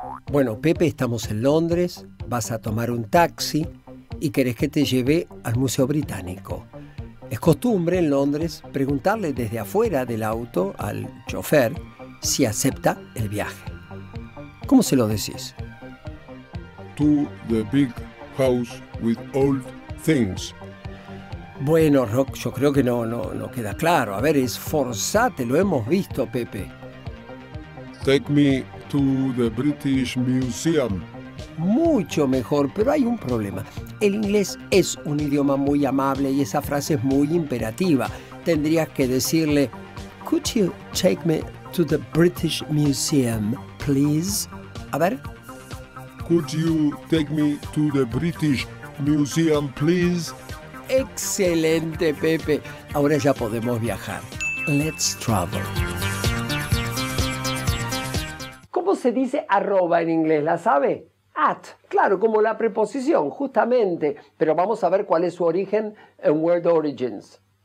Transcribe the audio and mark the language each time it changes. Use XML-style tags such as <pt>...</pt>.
<es>Bueno, Pepe, estamos en Londres. Vas a tomar un taxi y querés que te lleve al Museo Británico. Es costumbre en Londres preguntarle desde afuera del auto al chofer si acepta el viaje. ¿Cómo se lo decís?</es> <en>To the big house with old things.</en> <es>Bueno, Rock, yo creo que no queda claro. A ver, esforzate, lo hemos visto, Pepe.</es> <en>Take me to the British Museum.</en> <es>Mucho mejor, pero hay un problema. El inglés es un idioma muy amable y esa frase es muy imperativa. Tendrías que decirle,</es> <en>could you take me to the British Museum, please?</en> <es>A ver.</es> <en>Could you take me to the British Museum, please?</en> <es>Excelente, Pepe. Ahora ya podemos viajar.</es> <en>Let's travel.</en> <es>¿Cómo se dice arroba en inglés? ¿La sabe? At, claro, como la preposición, justamente. Pero vamos a ver cuál es su origen en World Origins.</es>